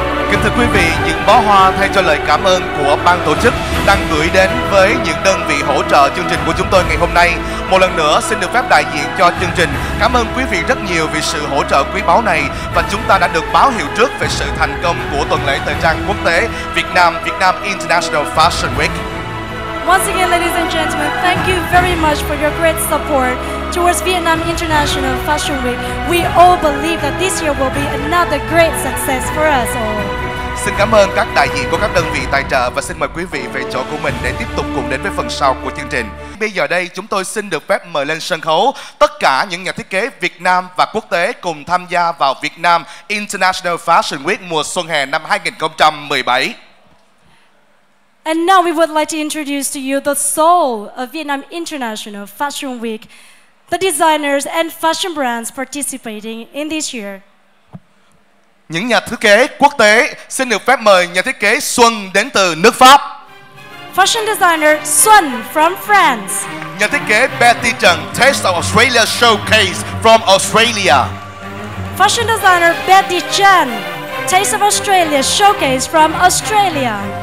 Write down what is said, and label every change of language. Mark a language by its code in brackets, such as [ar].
[vi] Kính thưa quý vị, những bó hoa thay cho lời cảm ơn của ban tổ chức đang gửi đến với những đơn vị hỗ trợ chương trình của chúng tôi ngày hôm nay. Một lần nữa xin được phép đại diện cho chương trình cảm ơn quý vị rất nhiều vì sự hỗ trợ quý báu này, và chúng ta đã được báo hiệu trước về sự thành công của tuần lễ thời trang quốc tế Việt Nam, Vietnam International Fashion Week. [en] Once again, ladies and gentlemen, thank you very much for your great support towards Vietnam International Fashion Week. We all believe that this year will be another great success for us all. [vi] Xin cảm ơn các đại diện của các đơn vị tài trợ và xin mời quý vị về chỗ của mình để tiếp tục cùng đến với phần sau của chương trình. Bây giờ đây, chúng tôi xin được phép mời lên sân khấu tất cả những nhà thiết kế Việt Nam và quốc tế cùng tham gia vào Việt Nam International Fashion Week mùa xuân hè năm 2017. [en] And now we would like to introduce to you the soul of Vietnam International Fashion Week, the designers and fashion brands participating in this year. [vi] Những nhà thiết kế quốc tế xin được phép mời nhà thiết kế Xuân đến từ nước Pháp. [en] Fashion designer Xuân from France. [vi] Nhà thiết kế [en] Betty Trần, Taste of Australia Showcase from Australia. Fashion designer Betty Trần, Taste of Australia Showcase from Australia.